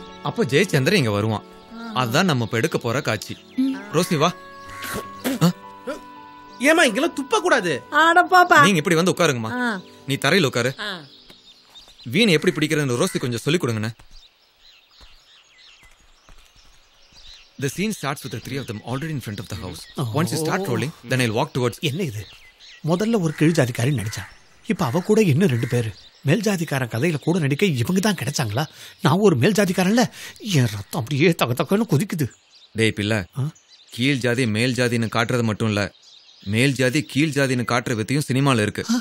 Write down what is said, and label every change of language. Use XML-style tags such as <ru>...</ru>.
<ta>அப்ப ஜெயச்சந்திரன் இங்க வருவான், அதுதான் நம்ம இப்ப எடுக்க போற காட்சி. ரோசி வா. ஏமா இங்க துப்ப கூடாது. நீங்க இப்படி வந்து உட்காருங்கம்மா. நீ தரையில் உட்காரு. வீணை எப்படி பிடிக்கிறன்னு ரோசி கொஞ்சம் சொல்லிக் கொடுங்க.</ta> <en>The scene starts with the three of them already in front of the house. Once you start rolling, then I'll walk towards.</en> <ta>என்ன இது, முதல்ல ஒரு கீழ் ஜாதிக்காரி நடிச்சா, இப்ப அவ கூட இன்னும் ரெண்டு பேரு மேல் ஜாதிக்கார கதையில கூட நடிக்க இவங்க தான் கிடைச்சாங்களா? நான் ஒரு மேல் ஜாதிக்காரன்ல, என் ரத்தம் அப்படியே தக தக்கன்னு கொதிக்குது. டேய் பிள்ளை, கீழ் ஜாதி மேல் ஜாதின்னு காட்டுறது மட்டும் இல்ல, மேல் ஜாதி கீழ் ஜாதின்னு காட்டுற வித்தையும் சினிமால இருக்கு.</ta>